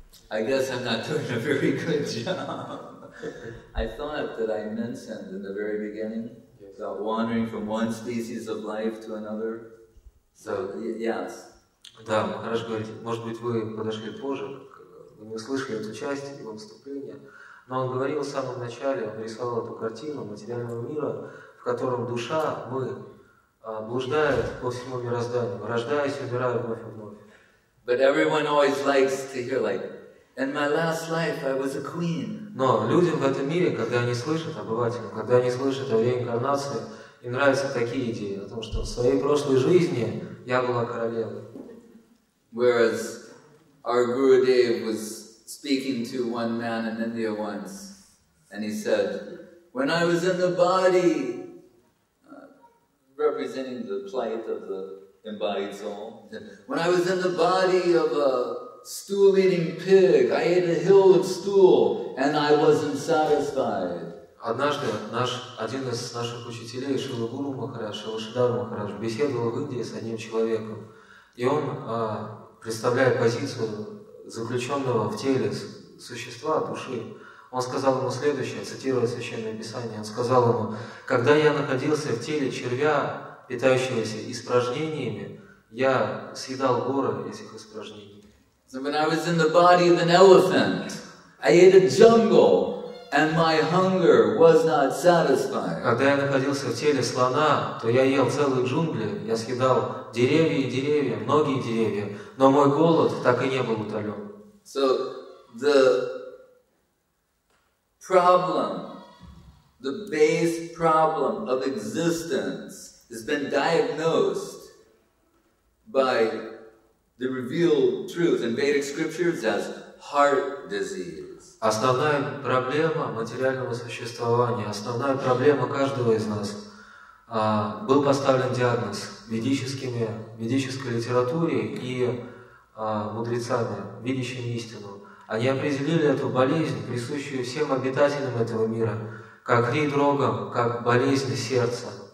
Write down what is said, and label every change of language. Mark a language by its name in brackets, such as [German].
[English] I guess I'm not doing a very good job. I thought that I mentioned in the very beginning about wandering from one species of life to another. So, yes. [Russian] Да, хорошо говорите. Может быть, вы подошли позже, вы не услышали эту часть его вступления. Но он говорил в самом начале, он рисовал эту картину материального мира, в котором душа, мы, блуждает по всему мирозданию, рождаясь, умирая вновь и вновь. [English] But everyone always likes to hear like, in my last life I was a queen. [Russian] Но людям в этом мире, когда они слышат, обывателям, когда они слышат о реинкарнации, им нравятся такие идеи о том, что в своей прошлой жизни я была королевой. [English] Whereas our Gurudev was speaking to one man in India once, and he said, when I was in the body, representing the plight of the embodied soul, when I was in the body of a stool-eating pig, I ate a hill of stool, and I wasn't satisfied. [Russian] Однажды один из наших учителей, Шрила Гуру Махарадж, Шрила Шридхара Махарадж, беседовал в Индии с одним человеком, и он представляет позицию заключенного в теле существа, души. Он сказал ему следующее, цитируя Священное Писание, он сказал ему, когда я находился в теле червя, питающегося испражнениями, я съедал горы этих испражнений. [English] So when I was in the body of an elephant, I ate a jungle, and my hunger was not satisfied. [Russian] Когда я находился в теле слона, то я ел целые джунгли, я съедал деревья и деревья, многие деревья, но мой голод так и не был утолен. [English] So the problem, the base problem of existence has been diagnosed by the revealed truth in Vedic scriptures as heart disease. [Russian] Основная проблема материального существования, основная проблема каждого из нас, был поставлен диагноз медической литературе и мудрецами, видящими истину. Они определили эту болезнь, присущую всем обитателям этого мира, как хрид-рогам, как болезнь сердца.